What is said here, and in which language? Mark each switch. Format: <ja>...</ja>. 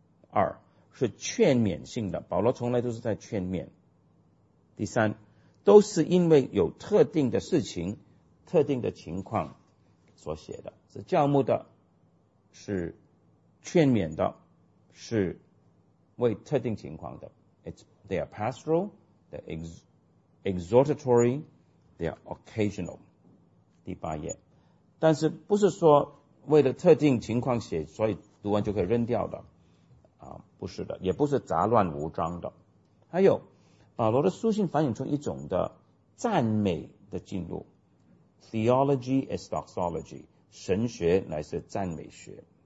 <zh>二，是劝勉性的，保罗从来都是在劝勉。第三，都是因为有特定的事情、特定的情况所写的，是教牧的，是劝勉的，是为特定情况的。</zh> <en>They are pastoral, they are exhortatory, they are occasional。</en> <zh>第八页，但是不是说为了特定情况写，所以读完就可以扔掉的啊，不是的，也不是杂乱无章的。还有保罗的书信反映出一种的赞美的进入，</zh> <en>Theology is doxology，</en> <zh>神学乃是赞美学。</zh>